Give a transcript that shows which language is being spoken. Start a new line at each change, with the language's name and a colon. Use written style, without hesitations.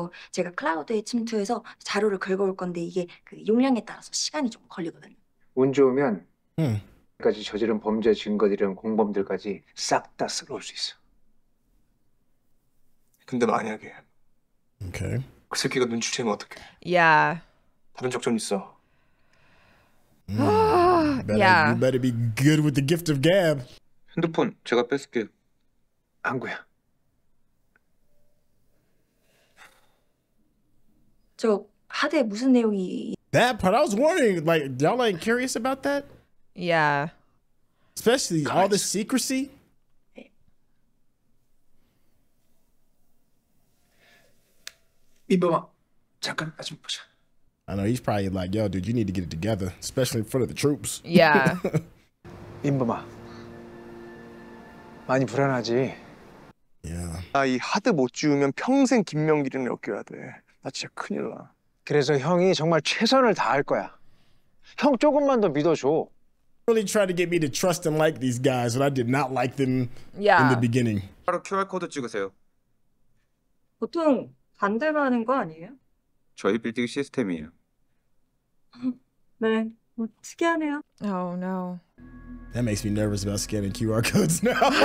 Korean: 제가 클라우드에 침투해서 자료를 긁어올 건데 이게 그 용량에 따라서 시간이 좀 걸리거든요. 운 좋으면 까지 저지른 범죄 증거들이랑 공범들까지 싹 다 쓸어올 수 있어. 근데 만약에
English: okay.
Korean: 그 새끼가 눈치채면 어떡해?
English: Yeah.
Korean: 다른 적 좀 있어. Yeah.
English: You better be good with the gift of gab.
Korean: 핸드폰 제가 뺏을게요. 안구야. 저 하드에 무슨 내용이?
English: That part I was wondering. Like, y'all ain't curious about that? Yeah. Especially Guys. All the secrecy. I know he's probably like, yo, dude, you need to get it together, especially in front of the troops. Yeah.
Korean: 임범아, 많이 불안하지?
English: Yeah.
Korean: 나 이 하드 못 지우면 평생 김명길이는 엮여야 돼. 나 진짜 큰일 나. 그래서 형이 정말 최선을 다할 거야. 형 조금만 더 믿어줘.
English: Really tried to get me to trust and like these guys, but I did not like them yeah. in the beginning.
Korean: 바로 QR코드 찍으세요. 보통 반대만 하는 거 아니에요? 저희 빌딩 시스템이에요. 네, 뭐 특이하네요.
English: Oh no. That makes me nervous about scanning QR codes now.